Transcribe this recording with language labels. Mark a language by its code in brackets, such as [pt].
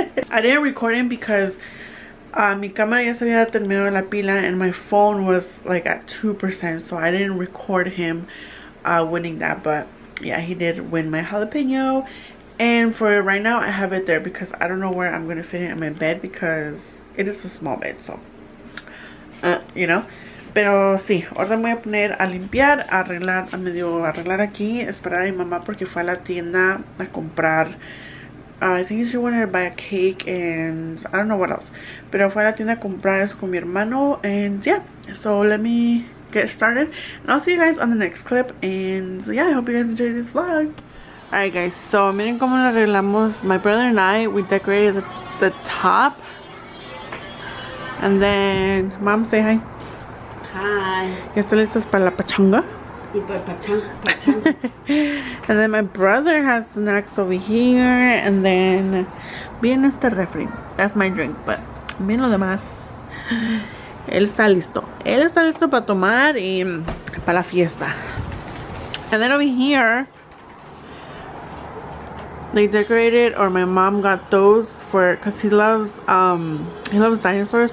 [en] I didn't record him because [es] mi cámara ya se había terminado la pila, [en] and my phone was like at 2%, so I didn't record him winning that. But yeah, he did win my jalapeno, and for right now I have it there because I don't know where I'm gonna fit it in my bed because it is a small bed, so you know. [es] Pero sí, ahora me voy a poner a limpiar, a arreglar, a medio arreglar aquí, esperar a mi mamá porque fue a la tienda a comprar. [en] I think she wanted to buy a cake and I don't know what else. [es] Pero fue a la tienda a comprar eso con mi hermano, [en] and yeah, so let me get started. And I'll see you guys on the next clip, and yeah, I hope you guys enjoy this vlog. Alright guys, so [es] miren cómo lo arreglamos. [en] My brother and I, we decorated the top. And then, mom, say hi. Hi. [es] ¿Ya están listas para la pachanga? Y para pachanga. [en] And then my brother has snacks over here. And then, [es] viene este refri. [en] That's my drink, but [es] miren lo demás. Él está listo. Él está listo para tomar y para la fiesta. [en] And then over here, they decorated, or my mom got those for, because he loves dinosaurs.